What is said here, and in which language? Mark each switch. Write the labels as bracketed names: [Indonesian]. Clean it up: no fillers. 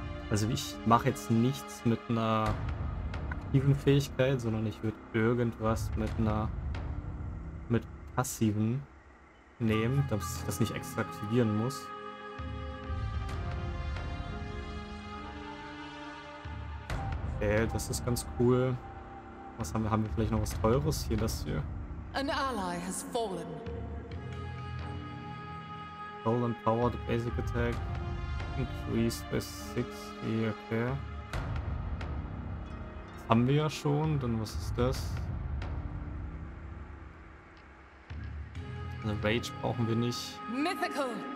[German] Also ich mache jetzt nichts mit einer aktiven Fähigkeit, sondern ich würde irgendwas mit passiven nehmen, dass ich das nicht extra aktivieren muss. Okay, das ist ganz cool. Was haben wir? Haben wir vielleicht noch was Teures? Hier das hier. [English] An ally has fallen. Stolen Power, the basic attack. Increase by 60, okay. [German] Das haben wir ja schon, dann was ist das? Eine Rage brauchen wir nicht. [English] Mythical!